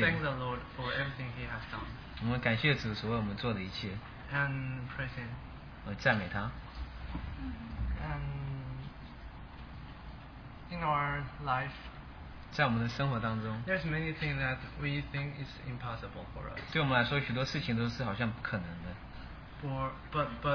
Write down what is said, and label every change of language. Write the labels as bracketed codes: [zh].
[en] Thank the Lord for everything He has done. [zh] 我们感谢主所为我们做的一切。 [en] And praise Him. [zh] 我赞美他。 [en] And in our life. [zh] 在我们的生活当中。 [en] There's many things that we think is impossible for us. [zh] 对我们来说，许多事情都是好像不可能的。